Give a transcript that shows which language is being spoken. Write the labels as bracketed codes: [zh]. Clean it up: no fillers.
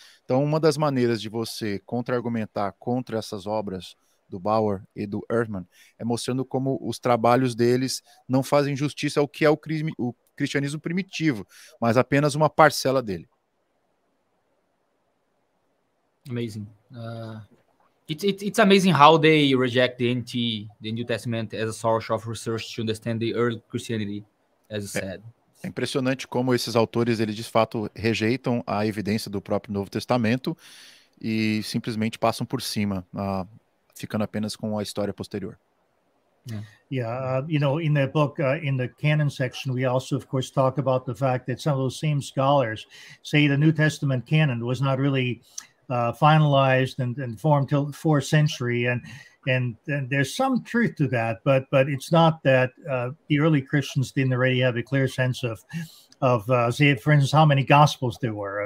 [pt] Então uma das maneiras de você contra-argumentar contra essas obras do Bauer e do Erdmann é mostrando como os trabalhos deles não fazem justiça ao que é o cristianismo primitivo, mas apenas uma parcela dele. [en] Amazing. It's amazing how they reject the New Testament as a source of research to understand the early Christianity, as you said. [pt] É impressionante como esses autores, eles de fato rejeitam a evidência do próprio Novo Testamento e simplesmente passam por cima, ficando apenas com a história posterior. [en] You know, in their book, in the canon section, we also, of course, talk about the fact that some of those same scholars say the New Testament canon was not really finalized and formed till the fourth century. And there's some truth to that, but it's not that the early Christians didn't already have a clear sense of, say, for instance, how many Gospels there were.